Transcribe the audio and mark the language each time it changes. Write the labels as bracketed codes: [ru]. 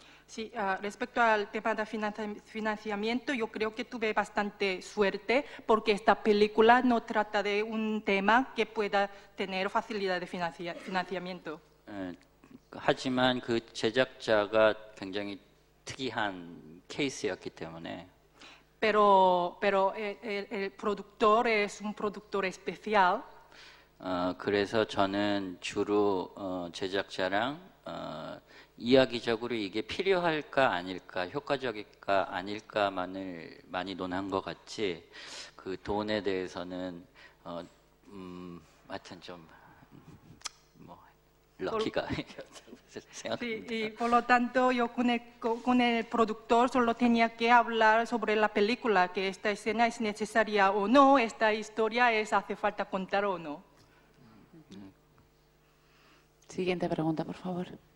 [es] Sí, respecto al tema de financiamiento, yo creo que tuve bastante suerte porque esta película no trata de un tema que pueda tener facilidad de financiamiento. [ko] 하지만 그 제작자가 굉장히 특이한 케이스였기 때문에. [es] Pero el productor es un productor especial. [ko] 그래서 저는 주로 제작자랑 이야기적으로 이게 필요할까 아닐까 효과적일까 아닐까만을 많이 논한 것 같지 그 돈에 대해서는 하여튼 좀 뭐 럭키가 [es] Sí, y por lo tanto yo con el productor solo tenía que hablar sobre la película que esta escena es necesaria o no esta historia es hace falta contar o no Siguiente pregunta por favor